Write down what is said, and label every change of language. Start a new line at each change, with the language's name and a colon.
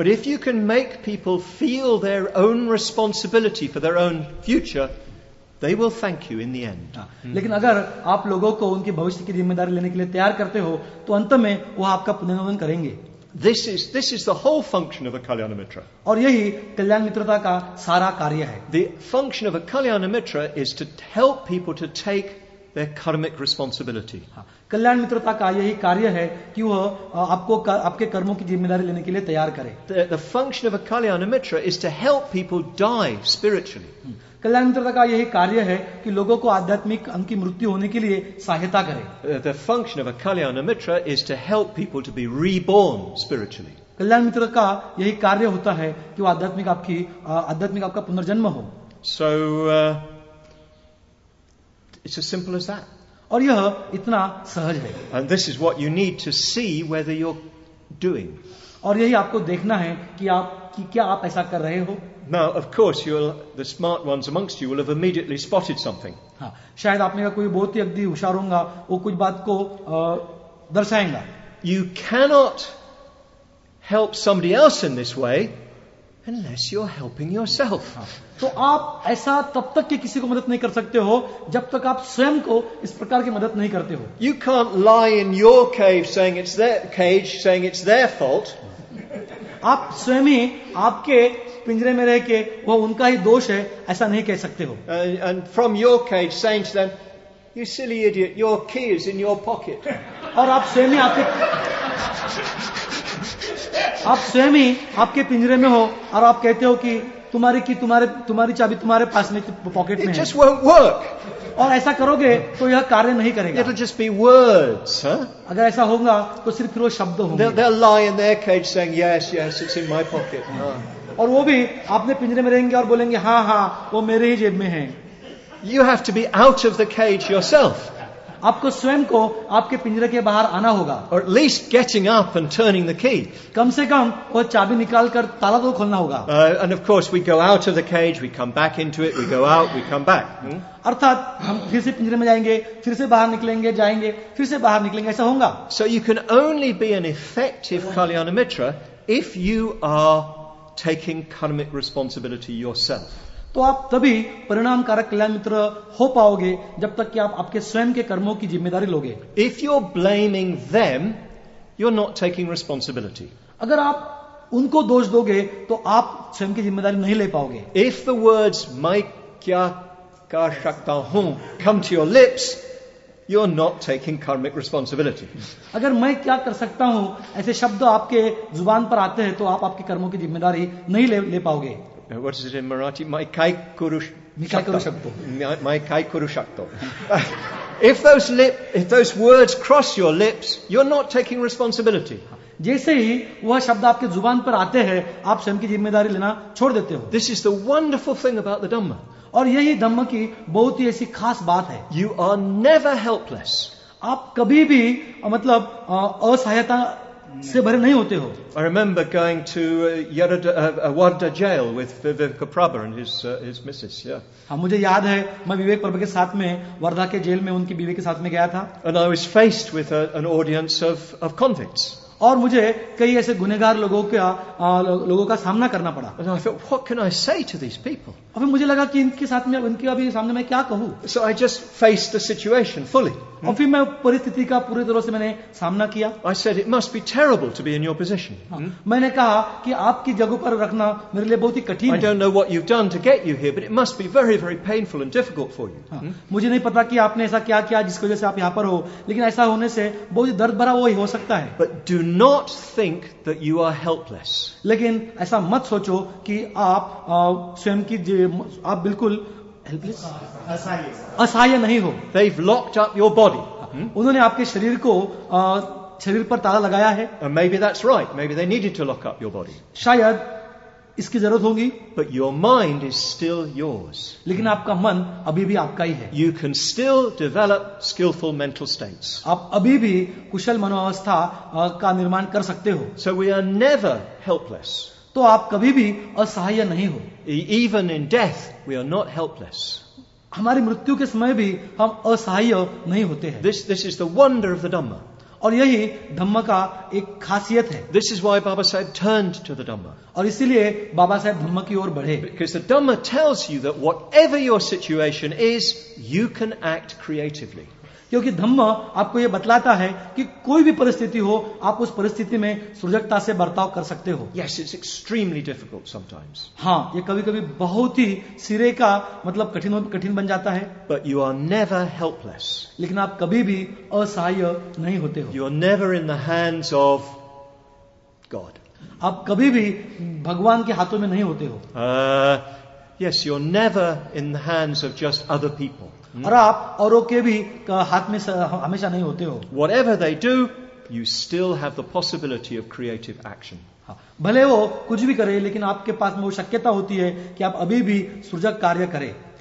English: But if you can make people feel their own responsibility for their own future, they will thank you in the end.
Hindi: लेकिन अगर आप लोगों को उनके भविष्य की जिम्मेदारी लेने के लिए तैयार करते हो तो अंत में वो आपका पुनर्नवन करेंगे.
English: This is the whole function of a Kalyana Mitra.
Hindi: और यही कल्याण मित्रता का सारा कार्य है.
English: The function of a Kalyana Mitra is to help people to take their karmic responsibility.
Hindi: कल्याण मित्रता का यही कार्य है कि वह आपको आपके कर्मों की जिम्मेदारी लेने के लिए तैयार करे.
English: The function of a Kalyana Mitra is to help people die spiritually.
Hindi: कल्याण मित्रता का यही कार्य है कि लोगों को आध्यात्मिक अंग की मृत्यु होने के लिए सहायता करे.
English: The function of a Kalyana Mitra is to help people to be reborn spiritually.
Hindi: कल्याण मित्र का यही कार्य होता है कि वह आध्यात्मिक आपका पुनर्जन्म हो.
English: So it's as simple as that.
Hindi: और यह इतना सहज है.
English: And this is what you need to see whether you're doing.
Hindi: और यही आपको देखना है कि क्या आप ऐसा कर रहे हो.
English: Now, of course, the smart ones amongst you will have immediately spotted something.
Hindi: शायद आप में का कोई बहुत ही अग्नि होशियार होगा, वो कुछ बात को दर्शाएगा.
English: You cannot help somebody else in this way unless you're helping yourself.
Hindi: तो आप ऐसा तब तक के किसी को मदद नहीं कर सकते हो जब तक आप स्वयं को इस प्रकार की मदद नहीं करते हो.
English: You can't lie in your cage saying it's their fault.
Hindi: आप स्वयं ही आपके पिंजरे में रह के वो उनका ही दोष है ऐसा नहीं कह सकते हो.
English: And from your cage saying to them, you silly idiot, your key is in your pocket.
Hindi: और आप स्वयं ही आपके आप स्वयं ही आपके पिंजरे में हो और आप कहते हो कि तुम्हारी की तुम्हारे तुम्हारी चाबी तुम्हारे पास में पॉकेट में
English: just won't work.
Hindi: और ऐसा करोगे तो यह कार्य नहीं करेगा.
English: It'll just be words, huh?
Hindi: अगर ऐसा होगा तो सिर्फ फिर वो शब्द होंगे.
English: They'll lie in their cage saying, yes, yes, it's in my pocket.
Hindi: और वो भी आपने पिंजरे में रहेंगे और बोलेंगे हाँ हाँ वो मेरे ही जेब में है.
English: You have to be out of the cage yourself.
Hindi: आपको स्वयं को आपके पिंजरे के बाहर आना होगा.
English: Or at least getting up and turning the key.
Hindi: कम से कम वो चाबी निकालकर ताला तो खोलना होगा.
English: And of course we go out of the cage, we come back into it, we go out, we come back.
Hindi: अर्थात हम फिर से पिंजरे में जाएंगे, फिर से बाहर निकलेंगे, जाएंगे, फिर से बाहर निकलेंगे, ऐसा होगा.
English: So you can only be an effective Kalyanamitra if you are taking karmic responsibility yourself.
Hindi: तो आप तभी परिणामकारक कल्याण मित्र हो पाओगे जब तक कि आप आपके स्वयं के कर्मों की जिम्मेदारी लोगे.
English: If you're blaming them, you're not taking responsibility.
Hindi: अगर आप उनको दोष दोगे तो आप स्वयं की जिम्मेदारी नहीं ले पाओगे.
English: If the words
Hindi: मैं क्या कर सकता हूँ
English: come to your lips, you're not taking karmic responsibility.
Hindi: अगर मैं क्या कर सकता हूँ ऐसे शब्द आपके जुबान पर आते हैं तो आप आपके कर्मों की जिम्मेदारी नहीं ले पाओगे.
English: What is it in Marathi?
Marathi: Mai kai kuru shakto.
English: If those words cross your lips, you're not taking responsibility.
Hindi: जैसे ही वह शब्द आपके जुबान पर आते हैं आप स्वयं की जिम्मेदारी लेना छोड़ देते हो.
English: This is the wonderful thing about the Dhamma.
Hindi: और यही धम्म की बहुत ही ऐसी खास बात है.
English: You are never helpless.
Hindi: आप कभी भी मतलब असहायता से भरे नहीं होते हो.
English: I remember going to Wardha jail with Vivek Prabha and his missus. Yeah.
Hindi: हाँ मुझे याद है मैं विवेक प्रभा के साथ में वर्धा के जेल में उनकी बीवी के साथ में गया था.
English: And I was faced with an audience of convicts.
Hindi: और मुझे कई ऐसे गुनेगार लोगों का सामना करना पड़ा.
English: And I thought, what can I say to these people?
Hindi: अभी मुझे लगा कि इनके साथ में इनके अभी सामने मैं क्या कहूँ.
English: So I just faced the situation fully.
Hindi: और फिर मैं परिस्थिति का पूरी तरह से मैंने सामना किया.
English: I said, it must be terrible to be in your position.
Hindi: मैंने कहा कि आपकी जगह पर रखना मेरे लिए बहुत ही कठिन है.
English: I don't know what you've done to get you here, but it must be very, very painful and difficult for you.
Hindi: मुझे नहीं पता कि आपने ऐसा क्या किया जिसकी वजह से आप यहाँ पर हो, लेकिन ऐसा होने से बहुत ही दर्द भरा वो ही हो सकता है.
English: But do not think that you are helpless.
Hindi: लेकिन ऐसा मत सोचो कि आप स्वयं की आप बिल्कुल असहाय नहीं हो.
English: They've locked up your body.
Hindi: उन्होंने आपके शरीर को शरीर पर ताला लगाया है.
English: Maybe that's right. Maybe they needed to lock up your body.
Hindi: शायद इसकी जरूरत होगी.
English: But your mind is still yours.
Hindi: लेकिन आपका मन अभी भी आपका ही है.
English: You can still develop skillful mental states.
Hindi: आप अभी भी कुशल मनोवस्था का निर्माण कर सकते हो.
English: So we are never helpless.
Hindi: तो आप कभी भी असहाय नहीं हो.
English: Even in death, we are not helpless.
Hindi: हमारी मृत्यु के समय भी हम असहाय नहीं होते हैं.
English: This is the wonder of the Dhamma.
Hindi: और यही धम्म का एक खासियत है.
English: This is why Baba Sahib turned to the Dhamma.
Hindi: और इसीलिए बाबा साहेब धम्म की ओर बढ़े.
English: Because the Dhamma tells you that whatever your situation is, you can act creatively.
Hindi: क्योंकि धम्म आपको यह बतलाता है कि कोई भी परिस्थिति हो आप उस परिस्थिति में सृजकता से बर्ताव कर सकते हो.
English: Yes, it's extremely difficult sometimes.
Hindi: हाँ ये कभी कभी बहुत ही सिरे का मतलब कठिन बन जाता है.
English: But you are never helpless.
Hindi: लेकिन आप कभी भी असहाय नहीं होते हो.
English: You are never in the hands of God.
Hindi: आप कभी भी भगवान के हाथों में नहीं होते हो.
English: Yes, you are never in the hands of just other people.
Hindi: और आप औरों के भी हाथ में हमेशा नहीं होते हो.
English: Whatever they do, you still have the possibility of creative action.
Hindi: भले वो कुछ भी करे लेकिन आपके पास में वो शक्यता होती है कि आप अभी भी सृजक कार्य करें.